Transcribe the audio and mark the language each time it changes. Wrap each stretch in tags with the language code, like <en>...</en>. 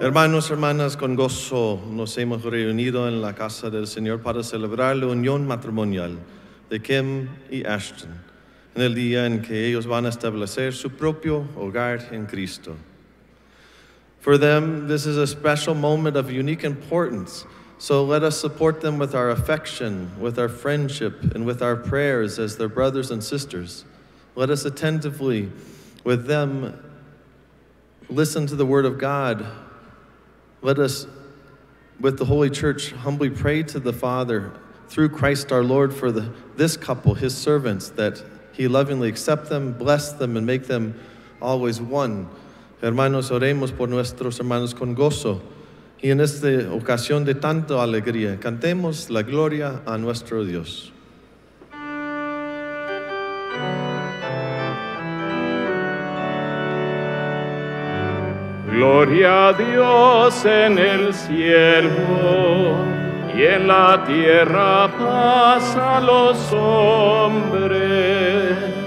<es>Hermanos, hermanas, con gozo nos hemos reunido en la casa del Señor para celebrar la unión matrimonial de Kim y Ashton en el día en que ellos van a establecer su propio hogar en Cristo.</es> <en>For them, this is a special moment of unique importance. So let us support them with our affection, with our friendship, and with our prayers as their brothers and sisters. Let us attentively, with them, listen to the word of God. Let us, with the Holy Church, humbly pray to the Father, through Christ our Lord, for this couple, his servants, that he lovingly accept them, bless them, and make them always one.</en> <es>Hermanos, oremos por nuestros hermanos con gozo. Y en esta ocasión de tanta alegría, cantemos la gloria a nuestro Dios. Gloria a Dios en el cielo, y en la tierra paz a los hombres.</es>